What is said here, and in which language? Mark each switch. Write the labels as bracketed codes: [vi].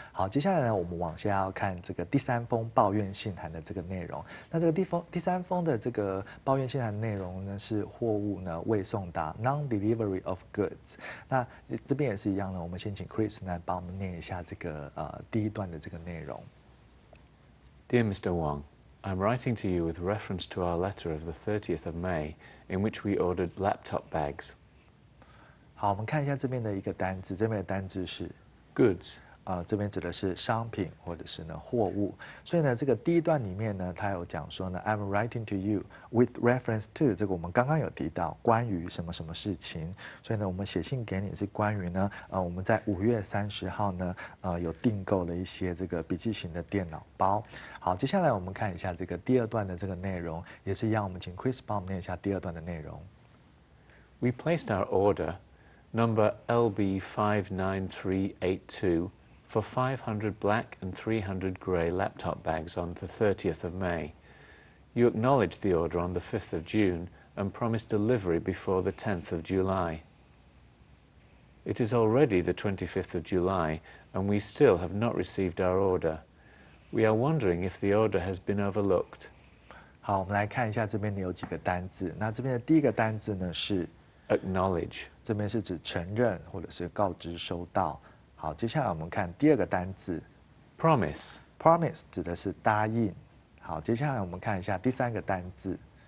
[zh] 好，接下来呢，我们往下要看这个第三封抱怨信函的这个内容。那这个第三封的这个抱怨信函的内容呢，是货物呢未送达 ， [en] non delivery of goods。 [zh] 那这边也是一样呢，我们先请 Chris 呢帮我们念一下这个第一段的这个内容。 [en] Dear Mr. Wang。 I'm writing to you with reference to our letter of the 30th of May, in which we ordered laptop bags. [zh] 好，我们看一下这边的一个单字，这边的单字是 [en] goods。 [zh] 这边指的是商品或者是呢货物。所以呢，这个第一段里面呢，他有讲说呢 ， [en] I'm writing to you with reference to [zh] 这个我们刚刚有提到关于什么什么事情。所以呢，我们写信给你是关于呢，我们在5月30号呢，有订购了一些这个笔记型的电脑包。好，接下来我们看一下这个第二段的这个内容，也是一样，我们请 Chris 帮我们念一下第二段的内容。 [en] We placed our order number LB59382. For 500 black and 300 grey laptop bags on the 30th of May. You acknowledged the order on the 5th of June and promised delivery before the 10th of July. It is already the 25th of July and we still have not received our order. We are wondering if the order has been overlooked. [zh] 好，我们来看一下这边有几个单字。那这边的第一个单字呢是 [en] acknowledge， [zh] 这边是指承认或者是告知收到。好，接下来我们看第二个单字 [en] ，promise。 [zh] promise 指的是答应。好，接下来我们看一下第三个单字